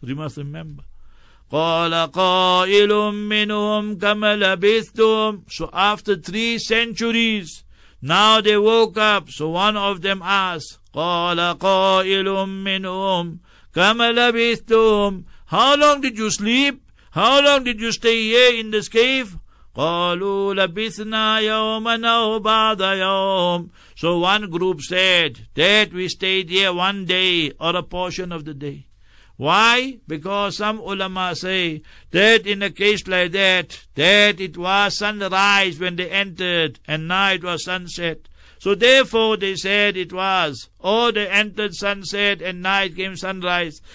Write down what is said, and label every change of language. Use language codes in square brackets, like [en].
[en] You must remember. [ar] قَالَ قَائِلٌ مِّنُهُمْ كَمَ لَبِثْتُمْ. [en] So after 3 centuries, now they woke up. So one of them asked, [ar] قَالَ قَائِلٌ مِّنْهُمْ كَمَ لَبِثْتُمْ. [en] How long did you sleep? How long did you stay here in this cave? [ar] قالوا لبثنا يوما أو بعض يوم. [en] So one group said that we stayed here one day or a portion of the day. Why? Because some ulama say that in a case like that, that it was sunrise when they entered and now it was sunset. So therefore they said it was, or they entered sunset and night came sunrise.